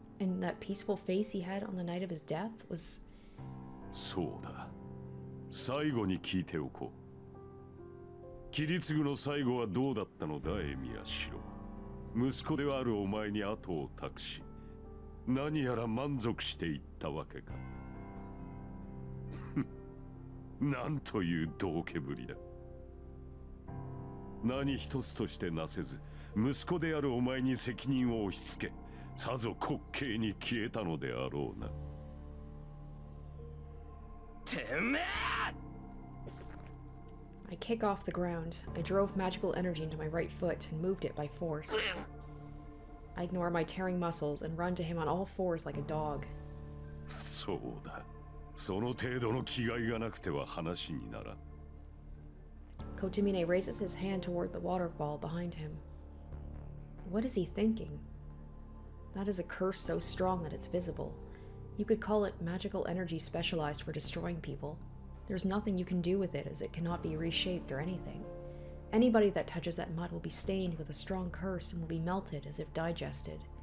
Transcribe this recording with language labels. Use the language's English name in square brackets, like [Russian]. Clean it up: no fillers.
[English] And that peaceful face he had on the night of his death was... [Japanese] そうだ。最後に聞いておこう。キリツグの最後はどうだったのだ、 エミヤシロ。息子であるお前に後を託し、 何やら満足していったわけか。なんという道化ぶりだ。何一つとしてなせず、息子であるお前に責任を押し付け、さぞ滑稽に消えたのであろうな。てめえ！ [English] I kick off the ground. I drove magical energy into my right foot and moved it by force. I ignore my tearing muscles and run to him on all fours like a dog. [Japanese] そうだ。その程度の気概がなくては話にならん。 [English] Kotomine raises his hand toward the waterfall behind him. What is he thinking? That is a curse so strong that it's visible. You could call it magical energy specialized for destroying people. There's nothing you can do with it, as it cannot be reshaped or anything. Anybody that touches that mud will be stained with a strong curse and will be melted as if digested.